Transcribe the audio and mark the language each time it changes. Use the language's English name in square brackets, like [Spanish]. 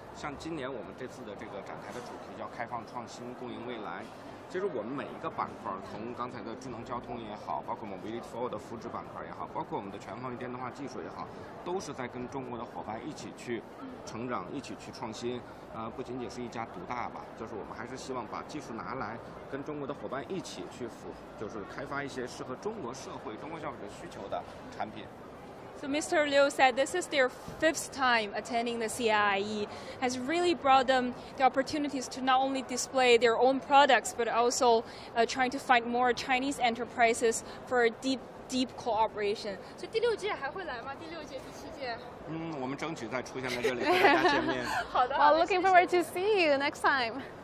[Chinese] 像今年我们这次的这个展台的主题叫开放创新共赢未来，其实我们每一个板块，从刚才的智能交通也好，包括 [English] mobility for [Chinese] 的福祉板块也好，包括我们的全方位电动化技术也好，都是在跟中国的伙伴一起去成长，一起去创新。不仅仅是一家独大吧，就是我们还是希望把技术拿来跟中国的伙伴一起去就是开发一些适合中国社会、中国消费者需求的产品。 [English] So Mr. Liu said this is their fifth time attending the CIIE, has really brought them the opportunities to not only display their own products, but also trying to find more Chinese enterprises for a deep, deep cooperation. [Chinese] 所以第六届还会来吗？第六届、第七届？我们争取再出现在这里跟大家见面。好的，好的。 [English] Well, looking forward to see you next time.